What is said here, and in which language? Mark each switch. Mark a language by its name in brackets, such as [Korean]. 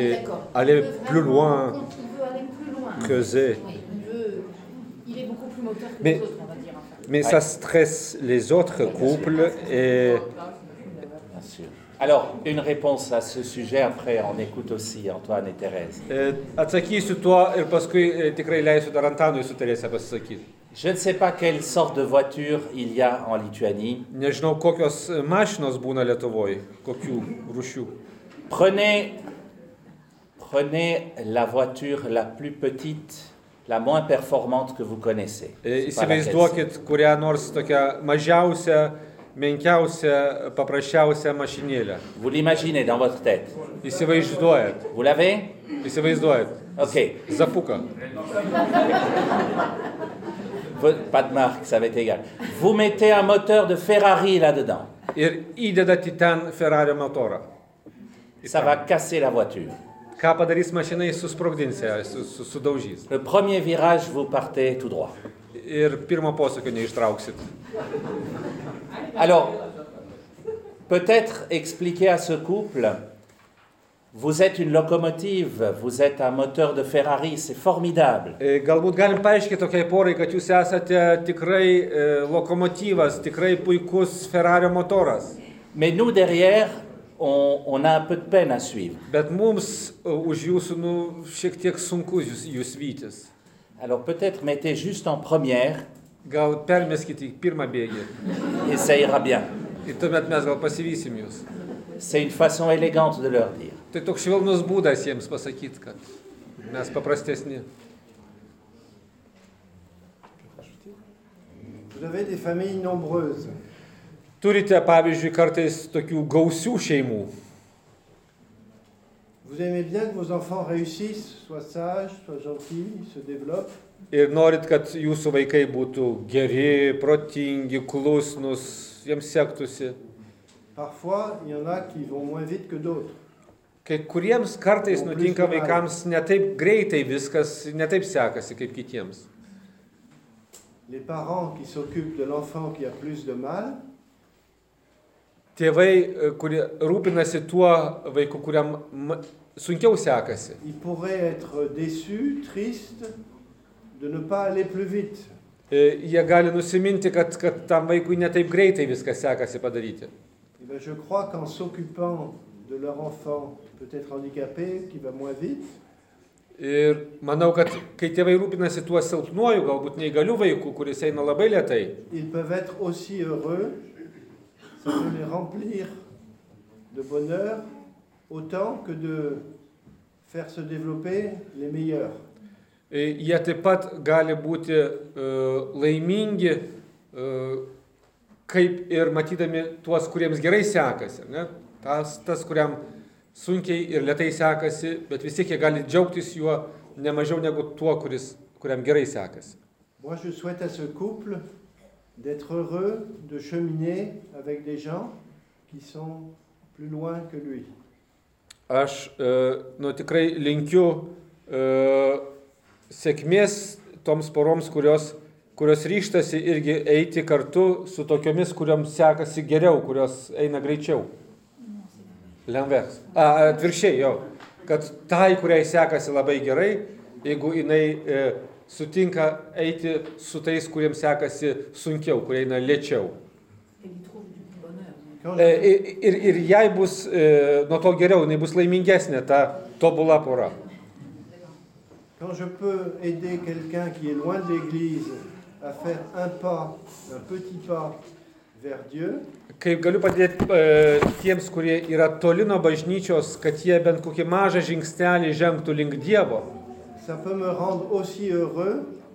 [French] et aller plus loin. Il veut aller plus loin. Que oui, il est beaucoup plus moteur que les autres, on va dire. Enfin. Mais ça stresse les autres couples. Et... Bien sûr. Alors, une réponse à ce sujet, après, on écoute aussi Antoine et Thérèse. [Lithuanian] Atsakysiu tuo ir paskui tikrai leisiu dar Antanui su Terese pasisakyti. [French] Je ne sais pas quelle sorte de voiture il y a en Lituanie. [Lithuanian] Nežinau, kokios mašinos būna Lietuvoje, kokių rūšių. [French] Prenez la voiture la plus petite, la moins performante que vous connaissez. [Lithuanian] Įsivaizduokit, kurią nors tokią mažiausią, menkiausią, paprasčiausią mašinėlę. [French] Vous l'imaginez dans votre tête. [Lithuanian] Įsivaizduojat. [French] Vous l'avez? [Lithuanian] Įsivaizduojat. Ok. Zapuka. [French] Pas de marque, ça va être égal. Vous mettez un moteur de Ferrari là-dedans. [Lithuanian] Ir įdeda titan Ferrari motorą. [French] Ça va casser la voiture. [Lithuanian] Ką padarys mašina, jis susprogdins ją, sudaužys. [French] Le premier virage, vous partez tout droit. [Lithuanian] Ir pirmo posūkio neištrauksit. [French] Alors, peut-être expliquer à ce couple, vous êtes une locomotive, vous êtes un moteur de Ferrari, c'est formidable. [Lithuanian] Galbūt galim paaiškinti tokiai porai, kad jūs esate tikrai lokomotyvas, tikrai puikus Ferrari motoras. [French] Mais nous derrière, on a un peu de peine à suivre. [Lithuanian] Bet mums už jūsų šiek tiek sunku jūs vytis. [French] Alors peut-être mettez juste en première. [Lithuanian] Gal permeskite pirmą bėgį. [French] Et ça ira bien. [Lithuanian] Ir tuomet mes gal pasivysim jūs. [French] C'est une façon élégante de leur dire. [Lithuanian] Tai toks švelnus būdas jiems pasakyti, kad mes paprastesni. [French] Vous avez des familles nombreuses. [Lithuanian] Turite, pavyzdžiui, kartais tokių gausių šeimų. [French] Vous aimez bien que vos enfants réussissent, soient sages, soient gentils, se développent. [Lithuanian] Ir norit, kad jūsų vaikai būtų geri, protingi, klusnus, jiems sektųsi. [French] Parfois, il y en a qui vont moins vite que d'autres. [Lithuanian] Kai kuriems kartais nutinka vaikams ne taip greitai viskas, ne taip sekasi kaip kitiems. [French] Les parents qui s'occupent de l'enfant qui a plus de mal. [Lithuanian] Tėvai, kurie rūpinasi tuo vaiku, kuriam sunkiau sekasi. [French] Ils pourraient être déçus, tristes de ne pas aller plus vite. [Lithuanian] Jie gali nusiminti, kad tam vaikui ne taip greitai viskas sekasi padaryti. [French] Mais je crois qu'en s'occupant de leur enfant peut-être handicapé qui va moins vite. [Lithuanian] Ir manau, kad kai tėvai rūpinasi tuo silpnuoju, galbūt neįgaliu vaiku, kuris eina labai lėtai. [French] Ils peuvent être aussi heureux, ça peut les remplir de bonheur autant que de faire se développer les meilleurs. [Lithuanian] Jie taip pat gali būti laimingi kaip ir matydami tuos, kuriems gerai sekasi, ne? Tas kuriam sunkiai ir lėtai sekasi, bet vis tiek jie gali džiaugtis juo ne mažiau negu tuo, kuriam gerai sekasi. [French] Moi je souhaite à ce couple d'être heureux de cheminer avec des gens qui sont plus loin que lui. [Lithuanian] Aš tikrai linkiu sėkmės toms poroms, kurios ryštasi irgi eiti kartu su tokiomis, kuriuoms sekasi geriau, kurios eina greičiau. Lengvės. Atvirkščiai, jo. Kad tai, kuriai sekasi labai gerai, jeigu jinai sutinka eiti su tais, kuriems sekasi sunkiau, kurie eina lėčiau. Ir jai bus nuo to geriau, jinai bus laimingesnė ta tobula pora. [French] Quand je peux aider quelqu'un qui est loin de l'église à faire un pas, un petit pas vers Dieu. [Lithuanian] Kaip galiu padėti tiems, kurie yra toli nuo bažnyčios, kad jie bent kokį mažą žingsnelį žengtų link Dievo. [French] Ça peut me rendre aussi heureux.